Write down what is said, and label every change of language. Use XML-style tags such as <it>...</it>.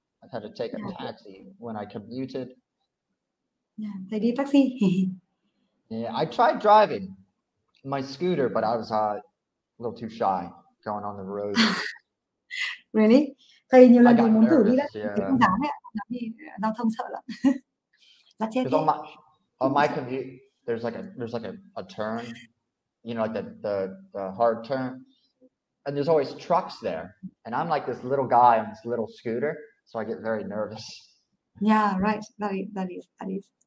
<en>I had to take a taxi when I commuted.</en> <vi>Yeah, thầy đi taxi.</vi> <en>Yeah, I tried driving my scooter, but I was a little too shy going on the road. Really?</en> <vi>Thầy nhiều lần muốn thử đi đấy, không dám ạ. Giao thông sợ lắm. Là chết.</vi> <en>On my commute, there's like a turn, you know, like the hard turn, and there's always trucks there, and I'm like this little guy on this little scooter, so I get very nervous. Yeah, right. That is.</en>